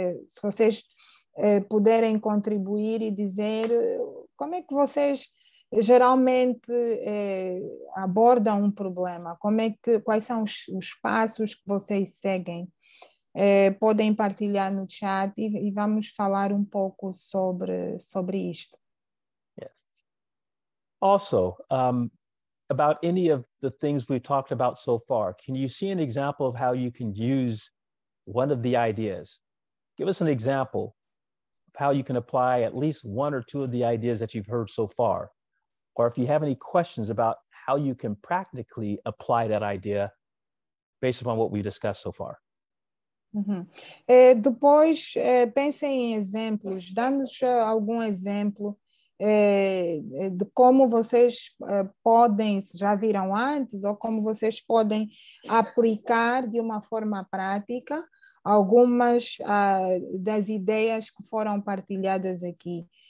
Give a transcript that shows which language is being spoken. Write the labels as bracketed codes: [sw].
[pt] Se vocês puderem contribuir e dizer como é que vocês geralmente abordam um problema, quais são os passos que vocês seguem. Podem partilhar no chat e vamos falar um pouco sobre isto. [en] Yes. Also, about any of the things we've talked about so far, can you see an example of how you can use one of the ideas? Give us an example of how you can apply at least one or two of the ideas that you've heard so far. Or if you have any questions about how you can practically apply that idea based upon what we discussed so far. Uhum. [pt] Depois, pensem em exemplos, dando-nos algum exemplo de como vocês podem, se já viram antes, ou como vocês podem aplicar de uma forma prática algumas das ideias que foram partilhadas aqui.